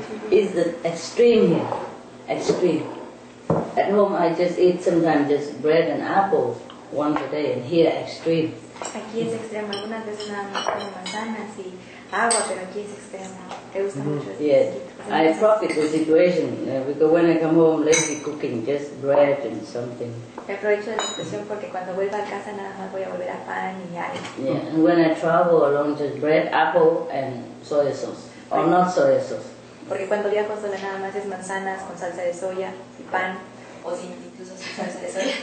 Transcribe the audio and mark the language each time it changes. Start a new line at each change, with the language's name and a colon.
English: It's the extreme here. Extreme. At home I just eat sometimes just bread and apples once a day, and here extreme.
Spanish: Aquí es extremo. Algunas veces nada más como manzanas y agua, pero aquí es extremo. Te gusta mucho.
English: Yes. I profit the situation because when I come home, lazy cooking, just bread and something.
Spanish: Me aprovecho de la situación porque cuando vuelva a casa nada más voy a volver a pan y ya.
English: Yeah. And when I travel alone, just bread, apple and soy sauce or not soy sauce.
Spanish: Porque cuando viajo solo nada más es manzanas con salsa de soya y pan o sin incluso salsa de soya.